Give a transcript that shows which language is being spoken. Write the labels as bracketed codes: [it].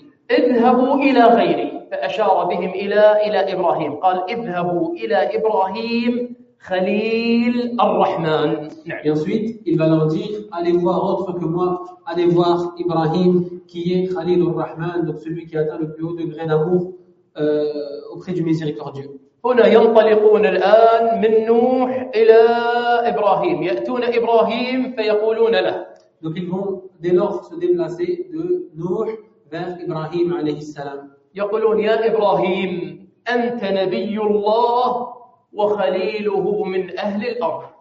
[ar] اذهبوا الى غيري فاشار بهم الى ابراهيم قال اذهبوا الى ابراهيم خليل الرحمن [fr] نعم ensuite il va leur dire allez voir autre que moi allez voir Ibrahim qui est [ar] خليل الرحمن [fr] donc celui qui atteint le plus haut degré d'amour auprès du miséricordieux [ar] هنا ينطلقون الان من نوح الى ابراهيم ياتون ابراهيم فيقولون له [fr] donc ils vont dès lors se déplacer de Nuh vers Ibrahim [ar] alayhi salam. يقولون يا إبراهيم أنت نبي الله وخليله من أهل الأرض.